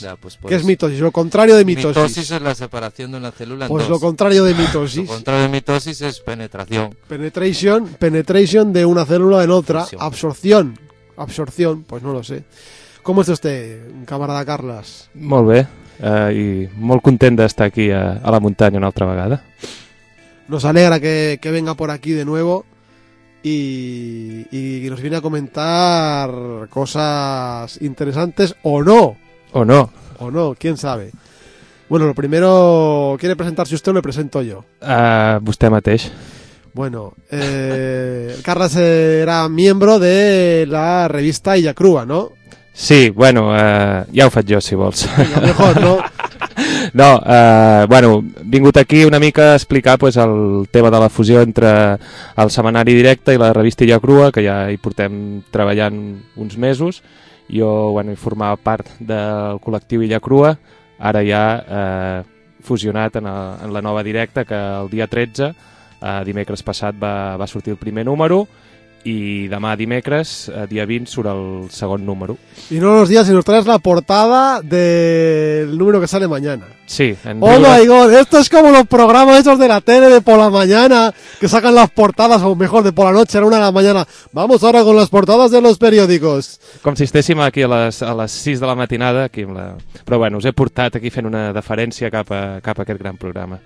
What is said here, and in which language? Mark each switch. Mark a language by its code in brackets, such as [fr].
[es] Ya, pues ¿qué es mitosis? Lo contrario de mitosis. Mitosis es la separación de una célula en pues dos. Lo contrario de mitosis. Lo contrario de mitosis es penetración. Penetration de una célula en otra. Absorción, pues no lo sé. ¿Cómo está usted, camarada Carles? [ca] Molt bé, y molt content d'estar aquí a la muntanya una altra vegada. [es] Nos alegra que venga por aquí de nuevo y nos viene a comentar cosas interesantes o no. O no. O no, quién sabe. Bueno, lo primero, ¿quiere presentarse usted o le presento yo? [ca] Usted mateix. [es] Bueno, Carles era miembro de la revista Illa Crua, ¿no? [ca] Sí, bueno, ja ho faig jo, si vols. [es] A lo mejor, ¿no? [ca] No, bueno, vingut aquí una mica a explicar pues, el tema de la fusió entre el setmanari directe i la revista Illa Crua, que ja hi portem treballant uns mesos. Jo, bueno, hi formava part del col·lectiu Illa Crua, ara ja fusionat en la nova directa, que el dia 13, dimecres passat, va sortir el primer número, i demà dimecres, dia 20, surt el segon número. [es] I no los días, sino traes la portada del número que sale mañana. Sí. [en] Oh my god, [es] esto es como los programas esos de la tele de por la mañana, que sacan las portadas, o mejor, de por la noche, a la una de la mañana. Vamos ahora con las portadas de los periódicos. [ca] Com si estéssim aquí a les 6 de la matinada. Aquí amb la... Però bueno, us he portat aquí fent una deferència cap a aquest gran programa.